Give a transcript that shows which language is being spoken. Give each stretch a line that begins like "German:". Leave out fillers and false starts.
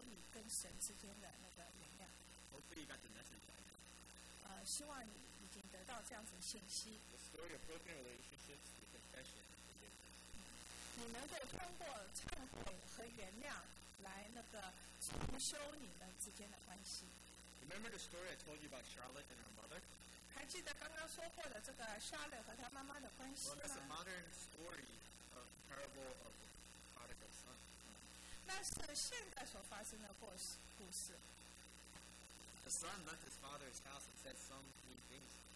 Chinese: 所以呢，赶快来那个忏悔你的罪，来寻求你跟神之间的那个原谅.
English: Hopefully, you got the message right now.
Chinese: 希望你已经得到这样子的信息.
English: Restore your broken relationships through confession and forgiveness.
Chinese: 你能够通过忏悔和原谅来那个重修你们之间的关系.
English: Remember the story I told you about Charlotte and her mother?
Chinese: 还记得刚刚说过的这个 Charlotte 和她妈妈的关系吗?
English: Well, that's a modern story of the parable of the prodigal son.
Chinese: 那是现在所发生的故事.
English: The son left his father's house and said some mean things.